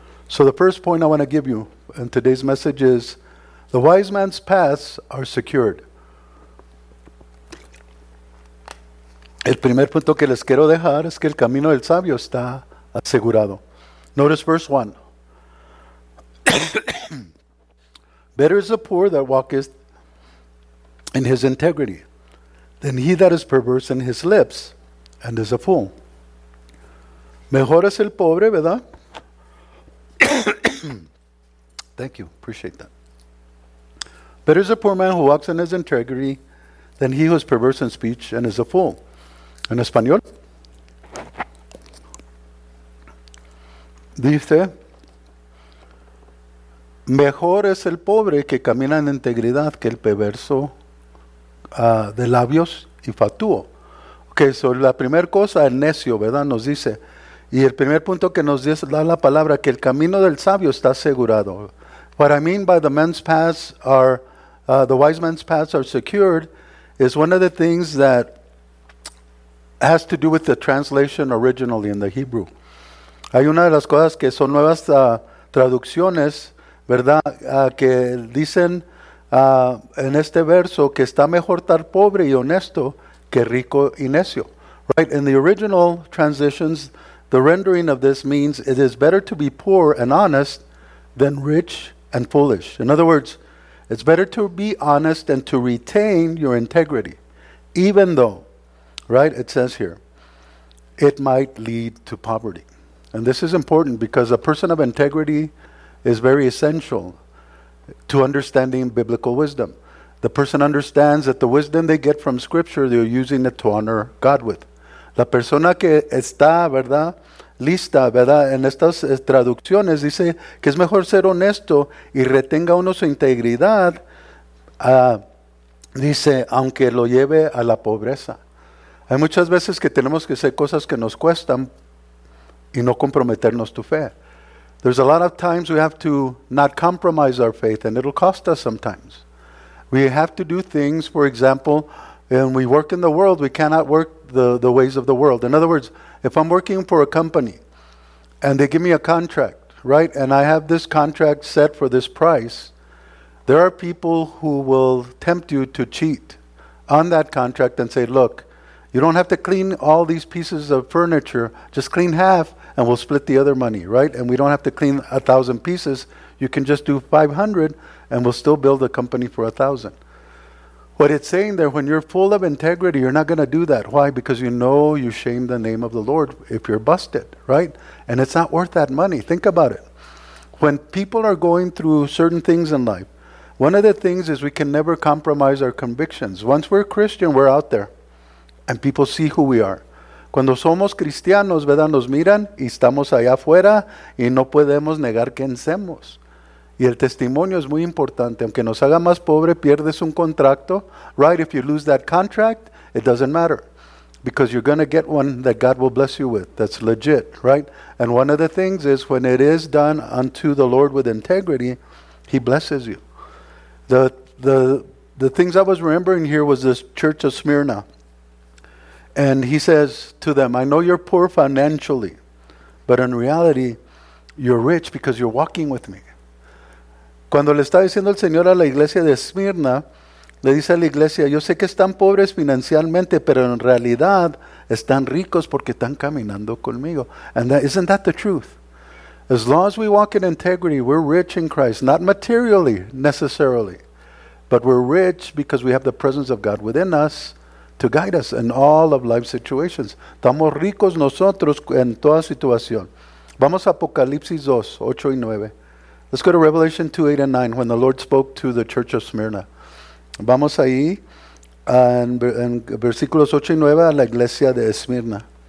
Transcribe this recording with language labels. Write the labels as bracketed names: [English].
[English] So the first point I want to give you in today's message is the wise man's paths are secured. [Spanish] El primer punto que les quiero dejar es que el camino del sabio está asegurado. [English] Notice verse 1. Better is the poor that walketh in his integrity than he that is perverse in his lips and is a fool. [Spanish] Mejor es el pobre, ¿verdad? [English] Thank you. Appreciate that. Better is the poor man who walks in his integrity than he who is perverse in speech and is a fool. [Spanish] En español, dice, mejor es el pobre que camina en integridad que el perverso de labios y fatuo. Ok, sobre la primera cosa, el necio, ¿verdad? Nos dice, y el primer punto que nos dice, da la palabra, que el camino del sabio está asegurado. [English] What I mean by the men's paths are, the wise men's paths are secured, is one of the things that has to do with the translation originally in the Hebrew. [Spanish] Hay una de las cosas que son nuevas traducciones, ¿verdad? Que dicen en este verso que está mejor estar pobre y honesto que rico y necio. [English] Right? In the original translations, the rendering of this means it is better to be poor and honest than rich and foolish. In other words, it's better to be honest and to retain your integrity, even though, right, it says here, it might lead to poverty. And this is important because a person of integrity is very essential to understanding biblical wisdom. The person understands that the wisdom they get from Scripture, they're using it to honor God with. [Spanish] La persona que está, ¿verdad?, lista, ¿verdad?, en estas traducciones, dice que es mejor ser honesto y retenga uno su integridad, dice, aunque lo lleve a la pobreza. Hay muchas veces que tenemos que hacer cosas que nos cuestan y no comprometernos tu fe. [English] There's a lot of times we have to not compromise our faith, and it'll cost us sometimes. We have to do things, for example, when we work in the world, we cannot work the ways of the world. In other words, if I'm working for a company and they give me a contract, right, and I have this contract set for this price, there are people who will tempt you to cheat on that contract and say, look, You don't have to clean all these pieces of furniture. Just clean half and we'll split the other money, right? And we don't have to clean 1,000 pieces. You can just do 500 and we'll still build a company for 1,000. What it's saying there, when you're full of integrity, you're not going to do that. Why? Because you know you shame the name of the Lord if you're busted, right? And it's not worth that money. Think about it. When people are going through certain things in life, one of the things is we can never compromise our convictions. Once we're Christian, we're out there. And people see who we are. [Spanish] Cuando somos cristianos, ¿verdad? Nos miran y estamos allá afuera y no podemos negar quién somos. Y el testimonio es muy importante. Aunque nos haga más pobre, pierdes un contrato. [English] Right, if you lose that contract, it doesn't matter. Because you're going to get one that God will bless you with. That's legit, right? And one of the things is when it is done unto the Lord with integrity, He blesses you. The things I was remembering here was this church of Smyrna. And he says to them, I know you're poor financially, but in reality, you're rich because you're walking with me. [Spanish] Cuando le está diciendo el Señor a la iglesia de Esmirna, le dice a la iglesia, yo sé que están pobres financialmente, pero en realidad están ricos porque están caminando conmigo. [English] And that, isn't that the truth? As long as we walk in integrity, we're rich in Christ, not materially necessarily, but we're rich because we have the presence of God within us to guide us in all of life situations. [Spanish] Estamos ricos nosotros en toda situación. Vamos a Apocalipsis 2, 8 y 9. [English] Let's go to Revelation 2, 8 and 9, when the Lord spoke to the church of Smyrna. [Spanish] Vamos ahí, en versículos 8 y 9, a la iglesia de Esmirna.